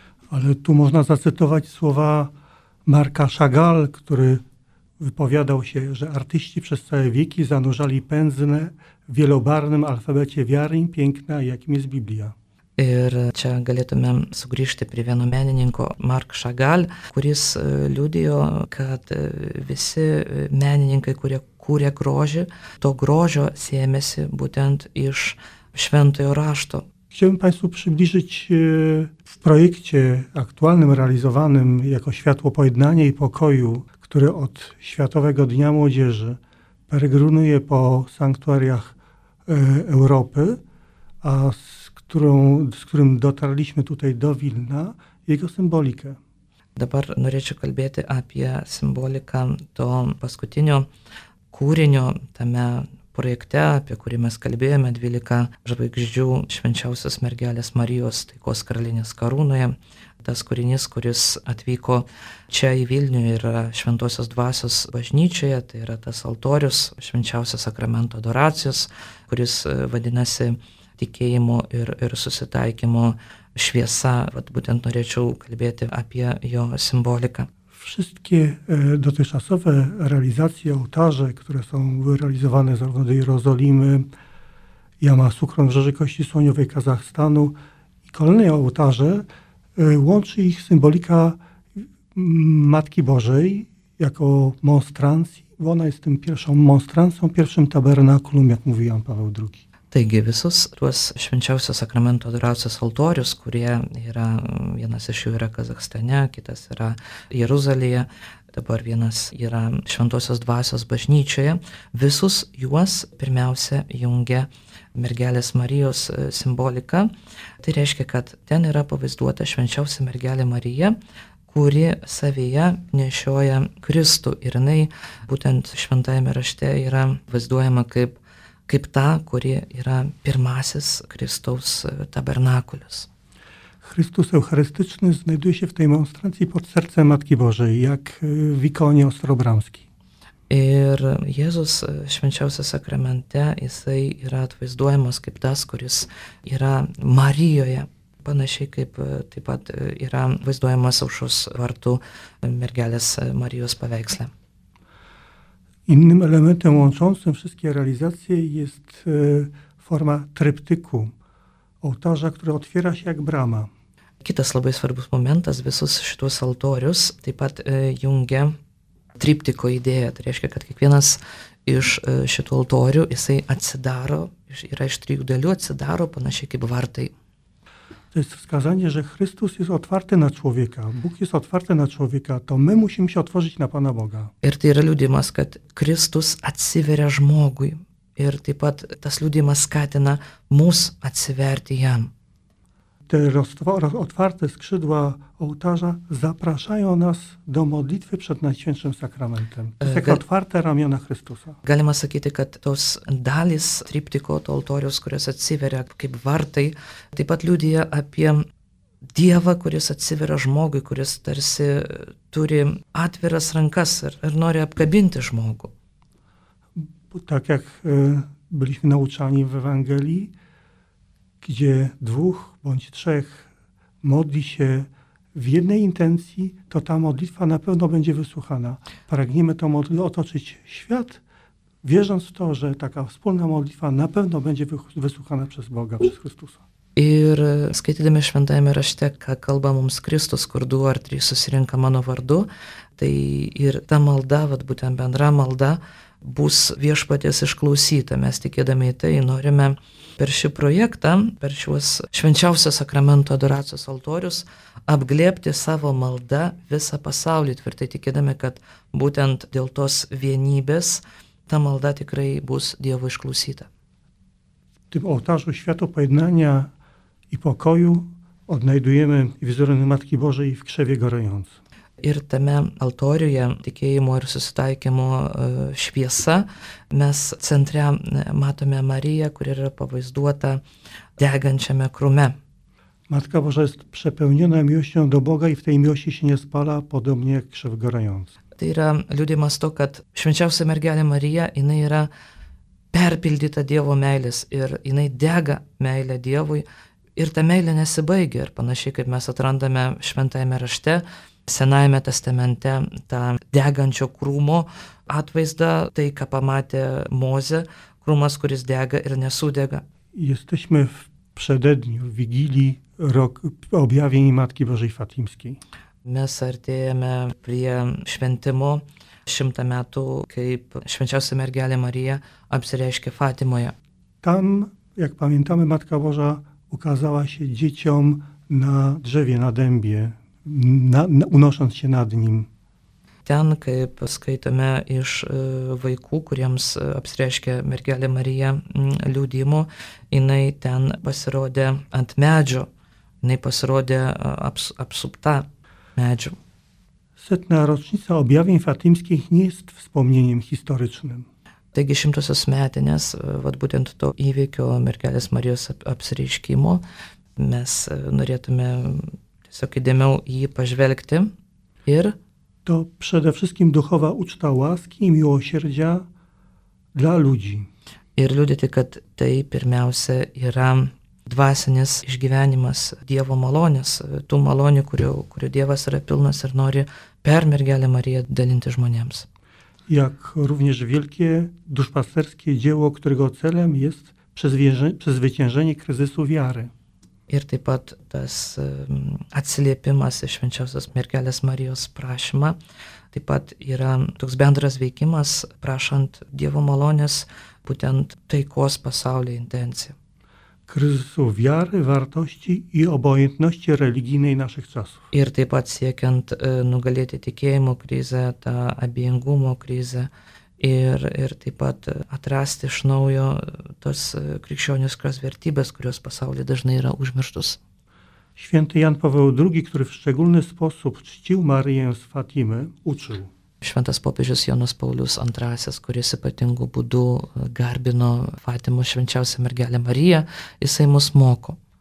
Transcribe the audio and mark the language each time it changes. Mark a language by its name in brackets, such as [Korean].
[Polish] Ale tu można zacytować słowa Marka Chagall, który wypowiadał się, że artyści przez całe wieki zanurzali pędzle w wielobarwnym alfabecie wiary, piękna, jakim jest Biblia. [Lithuanian] Ir čia galėtumėm sugrįžti prie vieno menininko Mark Chagall, kuris liudijo, kad visi menininkai, kurie kūrė grožį, to grožio sėmėsi būtent iš šventojo rašto. [Polish] Chciałbym Państwu przybliżyć w projekcie aktualnym realizowanym jako Światło Pojednania i Pokoju, który od Światowego Dnia Młodzieży peregrinuje po sanktuariach Europy, a z którym dotarliśmy tutaj do Wilna, jego symbolikę. [Lithuanian] Dabar norėčiau kalbėti apie symboliką to paskutinio kūrinio tame projekte, apie kurį mes kalbėjome, 12 žvaigždžių švenčiausios mergelės Marijos taikos karalienės karūnoje. Tas kūrinys, kuris atvyko čia į Vilnių ir Šventosios Dvasios bažnyčioje, tai yra tas altorius švenčiausios sakramento adoracijos, kuris vadinasi tikėjimo ir susitaikymo šviesa. Vat būtent norėčiau kalbėti apie jo simboliką. [Polish] Wszystkie dotychczasowe realizacje, ołtarze, które są realizowane zarówno do Jerozolimy, Jama Sukron w Rzeży Kości Słoniowej Kazachstanu i kolejne ołtarze, łączy ich symbolika Matki Bożej jako monstrancji, bo ona jest tym pierwszą monstrancją, pierwszym tabernakulum, jak mówi Jan Paweł II. [Lithuanian] Taigi visus tuos švenčiausio sakramento adoracijos altorius, kurie yra, vienas iš jų yra Kazachstane, kitas yra Jeruzalėje, dabar vienas yra Šventosios Dvasios bažnyčioje, visus juos pirmiausia jungia mergelės Marijos simbolika. Tai reiškia, kad ten yra pavaizduota švenčiausia mergelė Marija, kuri savyje nešioja Kristų ir jinai būtent šventajame rašte yra vaizduojama kaip ta, kuri yra pirmasis Kristaus tabernakulis. [Polish] Chrystus eucharystyczny znajduje się w tej monstrancji pod sercem Matki Bożej, jak w ikonie Ostrobramskiej. [Lithuanian] Ir Jėzus švenčiausio sakramente, jisai yra atvaizduojamas kaip tas, kuris yra Marijoje. panašiai kaip taip pat yra vaizduojamas Aušros vartų mergelės Marijos paveiksle. [Polish] Innym elementem łączącym wszystkie realizacje jest forma tryptyku, ołtarza, który otwiera się jak brama. [Lithuanian] Kitas labai svarbus momentas, visus šituos altorius taip pat jungia triptiko idėja. Tai reiškia, kad kiekvienas iš šitų altorių, jisai atsidaro, yra iš trijų dalių, atsidaro panašiai kaip vartai. [Polish] To jest wskazanie, że Chrystus jest otwarty na człowieka. Bóg jest otwarty na człowieka, to my musimy się otworzyć na Pana Boga. [Lithuanian] Ir tai yra liudimas, kad Kristus atsiveria žmogui. Ir taip pat tas liudimas skatina mus atsiverti jam. [Polish] Te otwarte skrzydła ołtarza zapraszają nas do modlitwy przed Najświętszym Sakramentem. To jest jak otwarte ramiona Chrystusa. [Lithuanian] Galima sakyti, kad tos dalis triptiko, to altorius, kurios atsiveria kaip vartai, taip pat liudija apie Dievą, kuris atsiveria žmogui, kuris tarsi turi atviras rankas ir nori apkabinti žmogų. [Polish] Tak jak byliśmy nauczani w Ewangelii, gdzie dwóch bądź trzech modli się w jednej intencji, to ta modlitwa na pewno będzie wysłuchana. Pragniemy tą modlitwę otoczyć świat, wierząc w to, że taka wspólna modlitwa na pewno będzie wysłuchana przez Boga, przez Chrystusa. [Lithuanian] Ir skaitydami šventajame rašte, ką kalba mums Kristus, kur du ar trys susirinka mano vardu, tai ir ta malda, vat būtent bendra malda, bus viešpaties išklausyta. Mes tikėdami į tai norime per šį projektą, per šiuos švenčiausios sakramento adoracijos altorius, apglėbti savo maldą visą pasaulį, tvirtai tikėdami, kad būtent dėl tos vienybės ta malda tikrai bus Dievo išklausyta. [Polish] Taip, altarų švieto pajednania i pokoju odnajdujemy wizerunę Matki Bożej w krzewie gorąc. [Lithuanian] Ir tame altoriuje tikėjimo ir susitaikymo šviesa mes centre matome Mariją, kuri yra pavaizduota degančiame krume. [Polish] Matka Boža jest przepełniona miłością do Boga i w tej miłości się nie spala, podobnie jak krzew gorąc. [Lithuanian] Tai yra liudimas to, kad švenčiausia mergelė Marija, jinai yra perpildyta Dievo meilės ir jinai dega meilė Dievui. Ir ta meilė nesibaigia ir panašiai, kaip mes atrandame šventajame rašte, senajame testamente, tą degančio krūmo atvaizdą, tai, ką pamatė Mozė, krūmas, kuris dega ir nesudega. [Polish] Jesteśmy w przededniu, w Wigilii, rok objawień Matki Bożej Fatimskiej. [Lithuanian] Mes artėjame prie šventimo 100 metų, kaip švenčiausia mergelė Marija apsireiškė Fatimoje. [Polish] Tam, jak pamiętamy, Matka Boža ukazała się dzieciom na drzewie, na dębie, unosząc się nad nim. [Lithuanian] Ten, kaip skaitome iš vaikų, kuriems apsireiškė mergelė Marija liudimu, jinai ten pasirodė ant medžio, jinai pasirodė apsupta medžio. [Polish] Setna rocznica objawień fatimskich nie jest wspomnieniem historycznym. [Lithuanian] Taigi šimtosios metinės, vat būtent to įvykio mergelės Marijos apsireiškimo, mes norėtume tiesiog įdėmiau jį pažvelgti ir... [Polish] To przede wszystkim duchowa uczta łaski i miłosierdzia dla ludzi. [Lithuanian] Ir liudyti, kad tai pirmiausia yra dvasinis išgyvenimas Dievo malonės, tų malonių, kurių Dievas yra pilnas ir nori per mergelę Mariją dalinti žmonėms. [Polish] Jak również wielkie duszpasterskie dzieło, którego celem jest przezwyciężenie kryzysu wiary. [Lithuanian] Ir taip pat tas atsiliepimas iš švenčiausios mergelės Marijos prašymą, taip pat yra toks bendras veikimas, prašant Dievo malonės, būtent taikos pasaulio intencija. [Polish] Kryzysu wiary, wartości i obojętności religijnej naszych czasów. [Lithuanian] Ir taip pat siekiant nugalėti tikėjimo krizę, tą abejingumo krizę ir taip pat atrasti iš naujo tos krikščioniškos vertybės, kurios pasaulyje dažnai yra užmirštos. [Polish] Święty Jan Paweł II, który w szczególny sposób czcił Mariję z Fatimy, uczył. [Lithuanian] Šventas popiežius Jonas Paulius II, kuris ypatingų būdų garbino Fatimo švenčiausią mergelę Mariją, jisai mus moko.